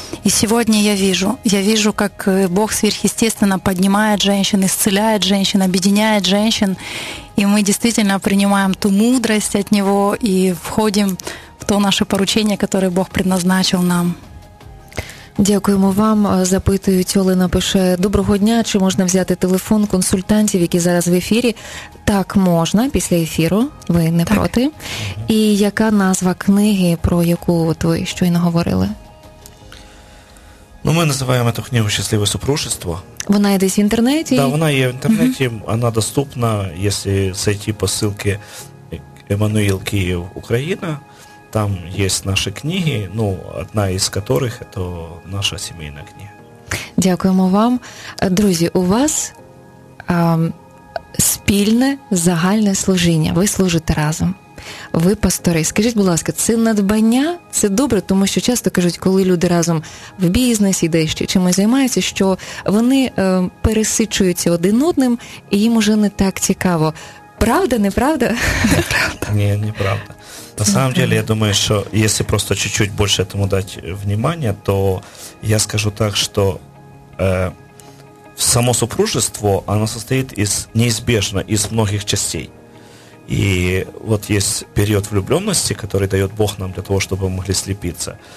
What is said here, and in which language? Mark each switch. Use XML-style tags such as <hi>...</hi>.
<ru>И сегодня я вижу, как Бог сверхъестественно поднимает женщин, исцеляет женщин, объединяет женщин. И мы действительно принимаем ту мудрость от Него и входим в то наше поручение, которое Бог предназначил нам.</ru> <uk>Дякуємо вам. Запитують, Олена пише: «Доброго дня, чи можна взяти телефон консультантів, які зараз в ефірі?» Так, можна, після ефіру, ви не так проти. І яка назва книги, про яку от ви щойно говорили? Ну, ми називаємо ту книгу «Щасливе супружество». Вона є десь в інтернеті? Так, да, вона є в інтернеті, вона доступна, якщо зайти по посилки «Еммануїл Київ, Україна». Там є наші книги, ну, одна із яких – це наша сімейна книга. Дякуємо вам. Друзі, у вас спільне загальне служіння. Ви служите разом. Ви пастори. Скажіть, будь ласка, це надбання? Це добре, тому що часто кажуть, коли люди разом в бізнесі, де ще чимось займаються, що вони пересичуються один одним, і їм уже не так цікаво. Правда, неправда? Неправда. Ні, неправда.</uk> <ru>На самом деле, я думаю, что если просто чуть-чуть больше этому дать внимания, то я скажу так, что само супружество, оно состоит из неизбежно из многих частей. И вот есть период влюбленности, который дает Бог нам для того, чтобы мы могли слепиться.</ru>